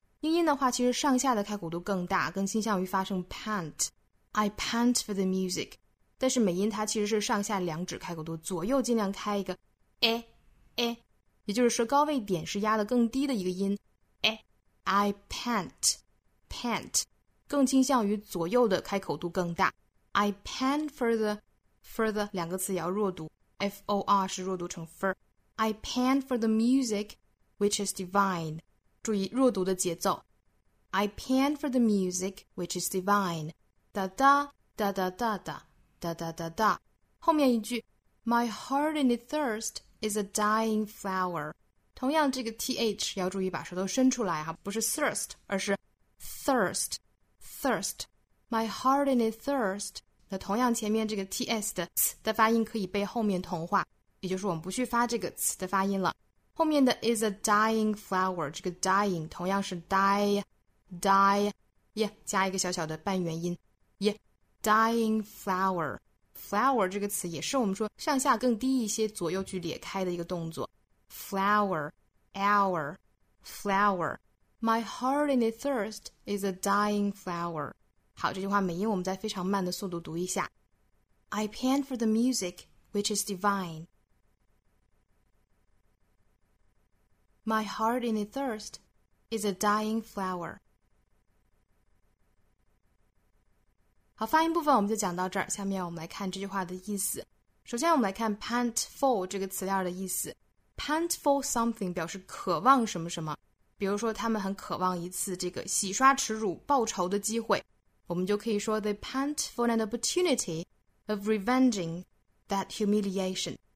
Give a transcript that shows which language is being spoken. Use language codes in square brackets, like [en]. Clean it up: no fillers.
[zh] 英音的话其实上下的开口度更大，更倾向于发声 pant， [en] I pant for the music。 [zh] 但是美音它其实是上下两指开口度，左右尽量开一个 a a， 也就是舌高位点是压得更低的一个音 a， I pant pant， 更倾向于左右的开口度更大。 I pant for the for the 两个词也要弱读 ，f o r 是弱读成 fur。 [en] I pant for the music which is divine， [zh] 注意弱读的节奏。 [en] I pant for the music which is divine， 哒哒哒哒哒哒。 [zh] 哒哒哒哒，后面一句 [en] My heart in its thirst is a dying flower， [zh] 同样这个 th 要注意把舌头伸出来哈，不是 thirst 而是 thirst thirst。 [en] My heart in its thirst， [zh] 那同样前面这个 ts 的 ts 的发音可以被后面同化，也就是我们不去发这个 ts 的发音了。后面的 [en] is a dying flower， [zh] 这个 dying 同样是 die die yeah 加一个小小的半元音 yeah。 Dying flower， flower 这个词也是我们说上下更低一些，左右去裂开的一个动作。 [en] Flower， hour， flower。 My heart in its thirst is a dying flower。 [zh] 好，这句话美音我们再非常慢的速度读一下。 [en] I pant for the music which is divine。 My heart in its thirst is a dying flower。 [zh] 好，发音部分我们就讲到这儿，下面我们来看这句话的意思。首先我们来看 pant for 这个词调的意思。pant for something 表示渴望什么什么，比如说他们很渴望一次这个洗刷耻辱报仇的机会，我们就可以说 [en] they pant for an opportunity of revenging that humiliation。